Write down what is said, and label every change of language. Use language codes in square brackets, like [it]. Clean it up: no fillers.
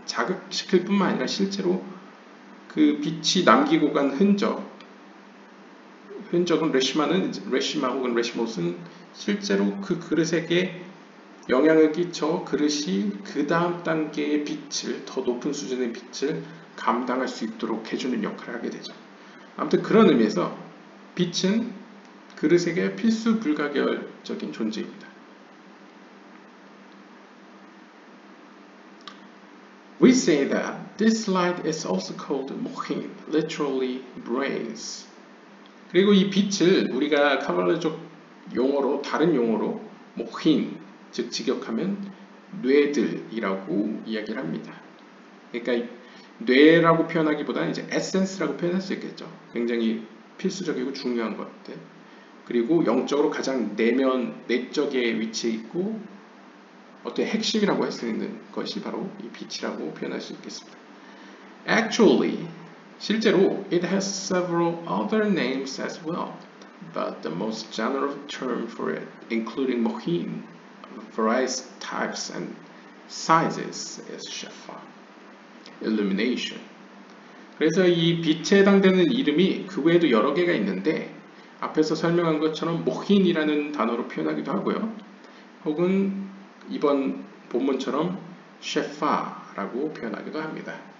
[ko] 자극시킬 뿐만 아니라 실제로 그 빛이 남기고 간 흔적은 레시마 혹은 레시모스는 실제로 그 그릇에게 영향을 끼쳐 그릇이 그 다음 단계의 빛을 더 높은 수준의 빛을 감당할 수 있도록 해주는 역할을 하게 되죠. 아무튼 그런 의미에서 빛은 그릇에게 필수 불가결적인 존재입니다. [en] We say that this light is also called mohin, literally brains. [ko] 그리고 이 빛을 우리가 카발라적 용어로 다른 용어로 mohin, 즉 직역하면 뇌들이라고 이야기를 합니다. 그러니까 뇌라고 표현하기보다는 이제 에센스라고 표현할 수 있겠죠. 굉장히 필수적이고 중요한 것들. 그리고 영적으로 가장 내면, 내적에 위치해 있고 어떤 핵심이라고 할 수 있는 것이 바로 이 빛이라고 표현할 수 있겠습니다. [en] Actually, [ko] 실제로 [en] it has several other names as well. But the most general term for it, including mohin, various types and sizes, is shefa. Illumination. [ko] 그래서 이 빛에 해당되는 이름이 그 외에도 여러 개가 있는데 앞에서 설명한 것처럼 모힌이라는 단어로 표현하기도 하고요. 혹은 이번 본문처럼 셰파라고 표현하기도 합니다.